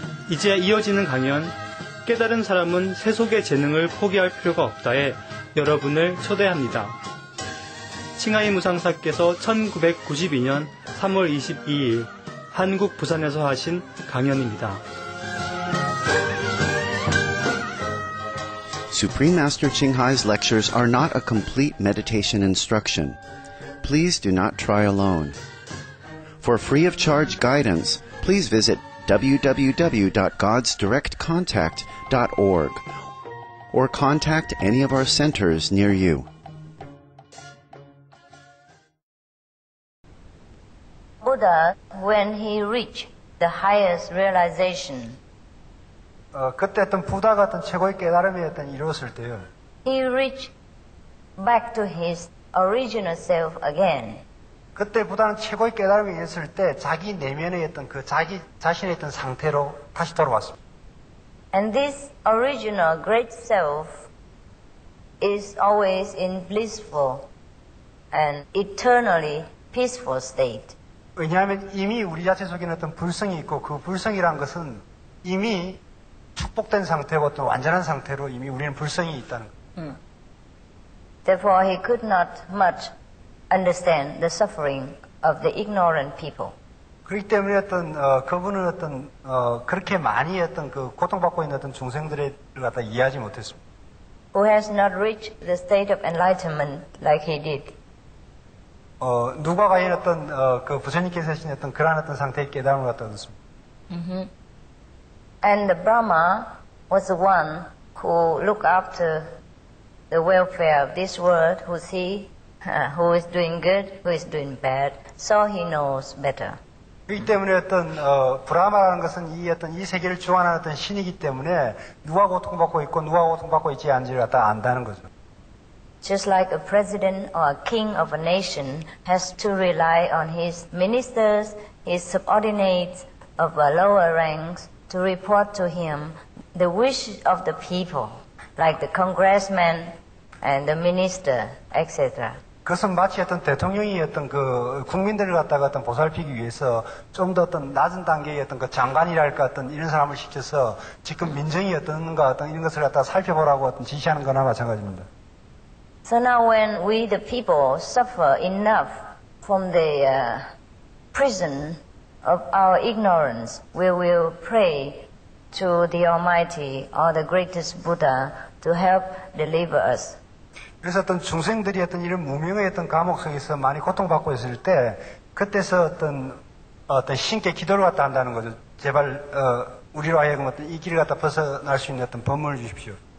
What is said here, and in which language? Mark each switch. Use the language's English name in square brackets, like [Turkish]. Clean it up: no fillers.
[Korean] 이제 이어지는 강연, 깨달은 사람은 세속의 재능을 포기할 필요가 없다에 여러분을 초대합니다. 칭하이 무상사께서 1992년 3월 22일 한국 부산에서 하신 강연입니다. [English] Supreme Master Qinghai's lectures are not a complete meditation instruction. Please do not try alone. For free of charge guidance, please visit www.godsdirectcontact.org or contact any of our centers near you. 부다, when he reached the highest realization. [Korean] 그때 어떤 부다가 어떤 최고의 깨달음이 어떤 이루었을 때요. [English] He reached back to his original self again. [Korean] 그때 부다는 최고의 깨달음이 있을 때 자기 내면의 어떤 그 자기 자신의 어떤 상태로 다시 돌아왔습니다. [English] And this original great self is always in blissful and eternally peaceful state. [Korean] 왜냐하면 이미 우리 자체 속에는 어떤 불성이 있고 그 불성이란 것은 이미 축복된 상태고 또 완전한 상태로 이미 우리는 불성이 있다는 것. [English] Therefore he could not much understand the suffering of the ignorant people. [Korean] 그렇기 때문에 어떤 그분은 어떤 그렇게 많이 어떤 그 고통받고 있는 어떤 중생들을 갖다 이해하지 못했습니다. [English] Who has not reached the state of enlightenment like he did. [Korean] 누가 과연 어떤 그 부처님께서 하신 어떤 그러한 어떤 상태의 깨달음을 갖다 얻었습니까? [English] And the Brahma was the one who looked after the welfare of this world, who see who is doing good, who is doing bad, so he knows better. [Korean] 그렇기 때문에 어떤 브라마라는 것은 이 어떤 이 세계를 주관하는 어떤 신이기 때문에 누가 고통받고 있고 누가 고통받고 있지 않지를 갖다 안다는 거죠. [English] Just like a president or a king of a nation has to rely on his ministers, his subordinates of a lower ranks to report to him the wish of the people, like the congressman and the minister, etc. [Korean] 그것은 마치 어떤 대통령이 어떤 그 국민들을 갖다가 어떤 보살피기 위해서 좀 더 어떤 낮은 단계의 어떤 그 장관이랄까 어떤 이런 사람을 시켜서 지금 민정이 어떤가 어떤 이런 것을 갖다 살펴보라고 어떤 지시하는 거나 마찬가지입니다. [English] So now when we the people suffer enough from the prison of our ignorance, we will pray to the Almighty or the greatest Buddha to help deliver us. [Korean] 그래서 어떤 중생들이 어떤 이런 무명의 어떤 감옥 속에서 많이 고통받고 있을 때, 그때서 어떤 신께 기도를 갖다 한다는 거죠. 제발, 우리로 하여금 어떤 이 길을 갖다 벗어날 수 있는 어떤 법문을 주십시오.